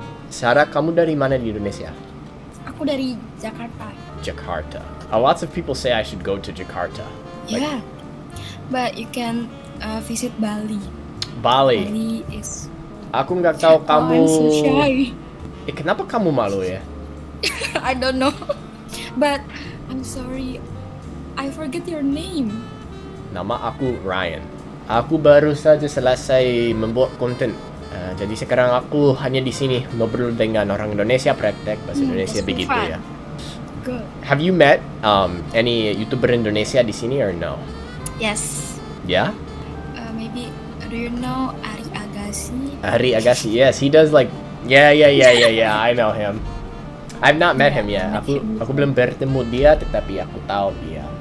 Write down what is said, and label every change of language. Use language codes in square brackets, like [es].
[id] Sarah, kamu dari mana di Indonesia? Aku dari Jakarta. Jakarta. [en] Lots of people say I should go to Jakarta. Yeah, like, but you can visit Bali. Bali. Bali is. [id] Aku nggak tahu kamu. [en] Oh, I'm so shy. [id] Eh, kenapa kamu malu ya? [en] I don't know, but I'm sorry. I forget your name. [id] Nama aku Ryan. Aku baru saja selesai membuat konten. Jadi sekarang aku hanya di sini ngobrol dengan orang Indonesia, praktek bahasa Indonesia begitu ya. [en] Good. Have you met any YouTuber Indonesia [id] di sini [en] or no? Yes. Yeah? Maybe do you know Ari Agassi? Ari Agassi. Yes, he does like yeah, I know him. I've not met him yet. [id] Aku belum bertemu dia, tetapi aku tahu dia.